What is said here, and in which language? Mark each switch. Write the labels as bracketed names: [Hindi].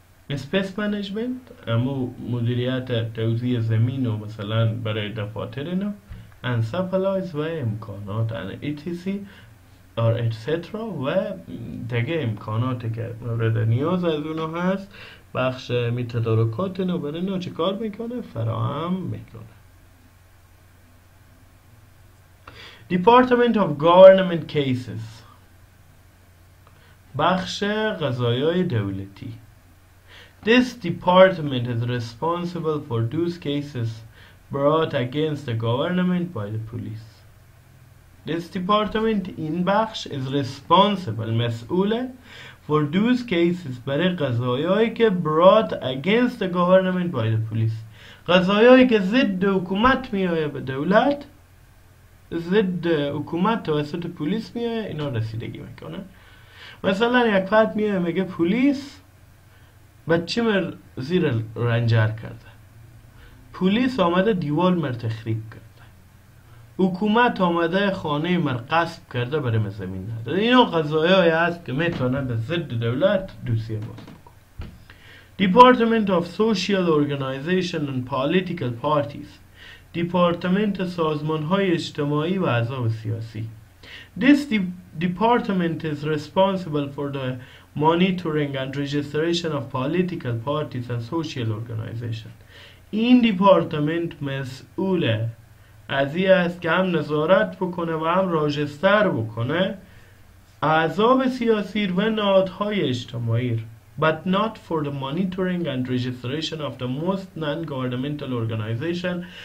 [Persian] space management، امو مدیریت توزیع زمین و مثلا برای دفاتر اینا، [English] and supplies [Persian] و امکانات [English] and etc or etc [Persian] و دیگه امکاناتی که مورد نیاز از اونو هست، بخش می تدارکات اینو برای اینو چه کار میکنه؟ فراهم میکنه. [English] Department of Government Cases، [Persian] بخش قضایای دولتی. [English] This department is responsible for those cases brought against the government by the police. This department، [Persian] این بخش، [English] is responsible، [Persian] مسئوله، [English] for those cases، [Persian] برای قضایایی که [English] brought against the government by the police، [Persian] قضایایی که ضد حکومت میآیه به دولت، ضد حکومت توسط پلیس میآیه، اینا رسیدگی میکنه. مثلا یک فرد میآیه میگه پلیس بچه مر زیر رنجر کرده، پلیس آمده دیوال مر تخریب کرده، حکومت آمده خانه مر قصب کرده برای من زمین نداده، اینا قضایایی هست که میتونه به ضد دولت دوسیه باز بکنه. [English] Department of Social Organization and Political Parties. [Persian] دپارتمنت سازمان‌های اجتماعی و احزاب سیاسی. [English] This department is responsible for the monitoring and registration of political parties and social organizations. [Persian] این دپارتمنت مسئول از این است که هم نظارت بکنه و هم راجستر بکنه احزاب سیاسی و نهادهای اجتماعی. [English] But not for the monitoring and registration of the most non-governmental organization.